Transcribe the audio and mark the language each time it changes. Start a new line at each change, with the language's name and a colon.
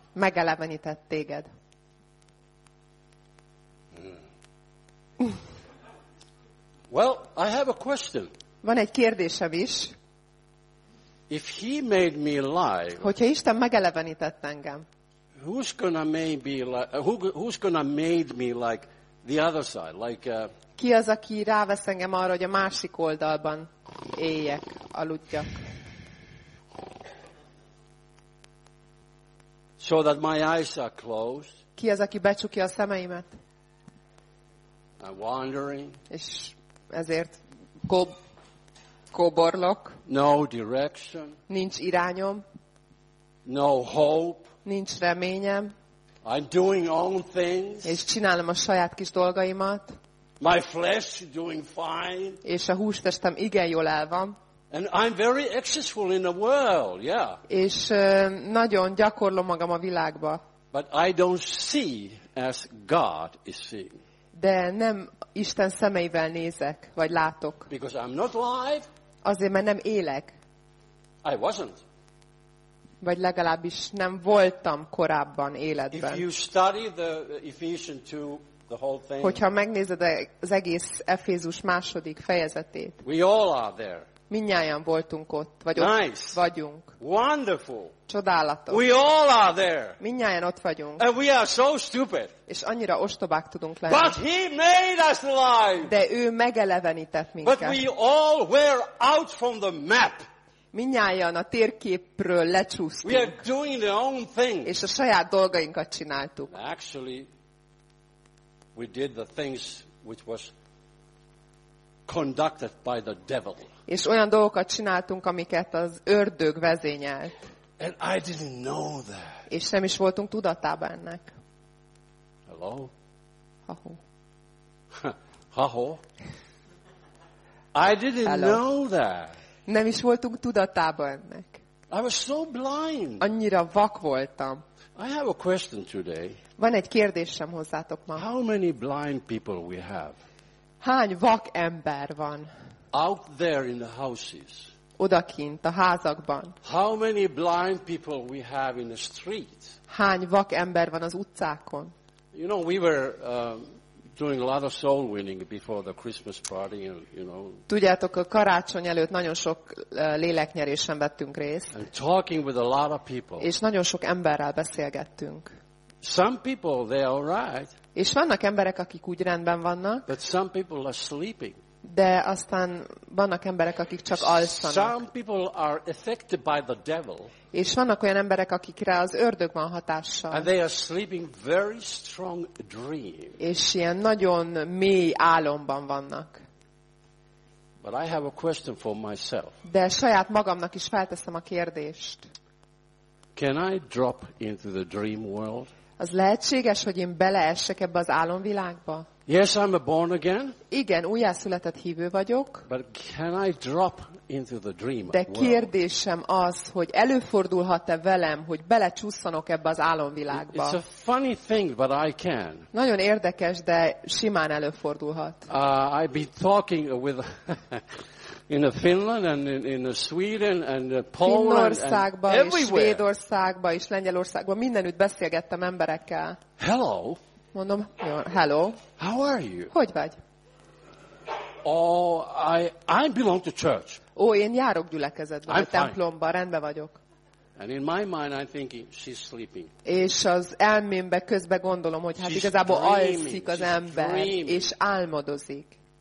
Hungarian: Megelevenített téged.
English: Well, I have a question.
Hungarian: Van egy kérdésem is.
English: If he made me alive.
Hungarian: Hogyha Isten megelevenített engem.
English: Who's gonna make me like the other side, like
Hungarian: ki az, aki rávesz engem arra, hogy a másik oldalban éljek, aludjak.
English: So that my eyes are closed.
Hungarian: Ki az, aki becsukja a szemeimet?
English: I'm wandering.
Hungarian: És ezért kóborlok.
English: No direction.
Hungarian: Nincs irányom.
English: No hope.
Hungarian: Nincs reményem.
English: I'm doing own things.
Hungarian: És csinálom a saját kis dolgaimat.
English: My flesh doing fine.
Hungarian: És a hústestem igen jól el van.
English: And I'm very successful in the world, yeah.
Hungarian: És nagyon gyakorlom magam a világba.
English: But I don't see as God is seeing.
Hungarian: De nem Isten szemeivel nézek, vagy látok.
English: Because I'm not alive.
Hungarian: Azért, mert nem élek.
English: I wasn't.
Hungarian: Vagy legalábbis nem voltam korábban életben.
English: If you study the Ephesians 2, the whole thing.
Hungarian: Hogyha megnézed az egész Efézus második fejezetét.
English: We all are there.
Hungarian: Mindnyájan voltunk ott, vagy ott
English: nice.
Hungarian: Vagyunk.
English: Wonderful.
Hungarian: Csodálatos.
English: We all are there.
Hungarian: Mindnyájan ott vagyunk.
English: And we are so stupid.
Hungarian: És annyira ostobák tudunk lenni.
English: But he made us alive.
Hungarian: De ő megelevenített minket.
English: But we all were out from the map.
Hungarian: Mindnyájan a térképről lecsúsztunk.
English: We are doing the own thing.
Hungarian: És a saját dolgainkat csináltuk.
English: Actually, we did the things which was conducted by the devil.
Hungarian: És olyan dolgokat csináltunk, amiket az ördög vezényelt.
English: And I didn't know that.
Hungarian: És nem is voltunk tudatában ennek.
English: Hello? Ha-ho. Ha-ho. I didn't Hello. Know that.
Hungarian: Nem is voltunk tudatában ennek.
English: I was so blind.
Hungarian: Annyira vak voltam.
English: I have a question today.
Hungarian: Van egy kérdésem hozzátok ma.
English: How many blind people we have?
Hungarian: Hány vak ember van?
English: Out there in the houses.
Hungarian: Odakint a házakban.
English: How many blind people we have in the street?
Hungarian: Hány vak ember van az utcákon?
English: You know, we were doing a lot of soul winning before the Christmas party, you know.
Hungarian: Tudjátok, a karácsony előtt nagyon sok léleknyerésen vettünk részt.
English: And talking with a lot of people.
Hungarian: És nagyon sok emberrel beszélgettünk.
English: Some people they are right.
Hungarian: És vannak emberek, akik úgy rendben vannak.
English: But some people are sleeping.
Hungarian: De aztán vannak emberek, akik csak alszanak.
English: Some people are affected by the devil.
Hungarian: És vannak olyan emberek, akikre az ördög van hatással.
English: And they are sleeping very strong dream.
Hungarian: És ilyen nagyon mély álomban vannak.
English: But I have a question for myself.
Hungarian: De saját magamnak is felteszem a kérdést.
English: Can I drop into the dream world?
Hungarian: Az lehetséges, hogy én beleessek ebbe az álomvilágba?
English: Yes, I'm a born again.
Hungarian: Igen, újjászületett hívő vagyok.
English: But can I drop into the dream?
Hungarian: De kérdésem az, hogy előfordulhat-e velem, hogy belecsúszanok ebbe az álomvilágba.
English: It's a funny thing, but I can.
Hungarian: Nagyon érdekes, de simán előfordulhat.
English: I've been talking with in Finland and in Sweden and Poland
Hungarian: Finnországba
English: and everywhere.
Hungarian: Svédországba és Lengyelországba mindenütt beszélgettem emberekkel.
English: Hello.
Hungarian: Mondom, jó, hello.
English: How are you?
Hungarian: Hogy vagy?
English: Oh, I belong to church.
Hungarian: Ó, én járok gyülekezetbe, a templomba, rendben vagyok.
English: And in my mind I think she's sleeping.
Hungarian: És az elmémbe közben gondolom, hogy hát igazából alszik az ember, és álmodozik.